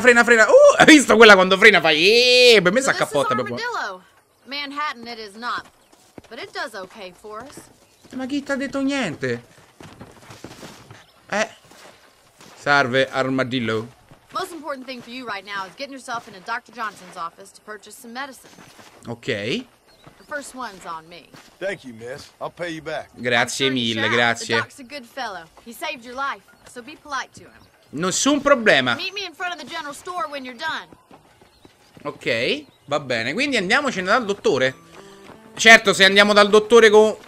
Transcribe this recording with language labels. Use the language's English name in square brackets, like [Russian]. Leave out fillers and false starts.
[Italian] Hai visto quella quando frena fai. Per me si accappotta proprio. [English] Manhattan it is not. But it does okay for us. [Italian] Ma chi ti ha detto niente? Salve, Armadillo. [English] Most important thing for you right now is getting yourself into Dr. Johnson's office to purchase some medicine. Okay. The first one's on me. Thank you, miss. I'll pay you back. [Italian] Grazie mille, grazie. [English] The doc's a good fellow. He saved your life, so be polite to him. [Italian] Nessun problema. [English] Meet me in front of the general store when you're done. [Italian] Okay, va bene. Quindi andiamocene dal dottore. Certo, se andiamo dal dottore con...